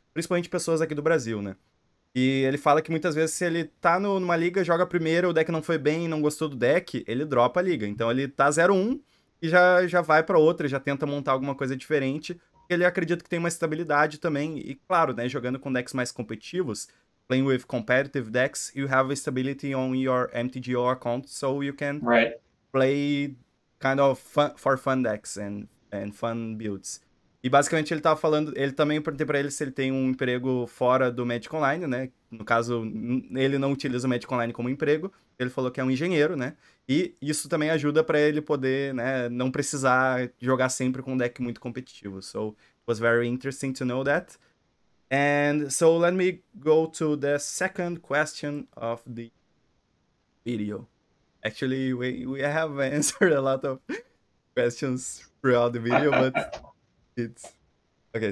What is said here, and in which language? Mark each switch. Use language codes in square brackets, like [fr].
[pt] Principalmente pessoas aqui do Brasil, né? E ele fala que muitas vezes se ele tá numa liga, joga primeiro, o deck não foi bem, não gostou do deck, ele dropa a liga. Então ele tá 0-1 e já vai para outra, já tenta montar alguma coisa diferente. Ele acredita que tem uma estabilidade também, e claro, né? Jogando com decks mais competitivos, [en] playing with competitive decks, you have a stability on your MTGO account, so you can Right. play kind of fun, for fun decks and fun builds. [pt] E basicamente ele tava falando, ele também perguntei pra ele se ele tem um emprego fora do Magic Online, né? No caso, ele não utiliza o Magic Online como emprego, ele falou que é um engenheiro, né? E isso também ajuda para ele poder, né, não precisar jogar sempre com um deck muito competitivo. [en] So, it was very interesting to know that. And so let me go to the second question of the video. Actually, we have answered a lot of questions throughout the video, but it's okay.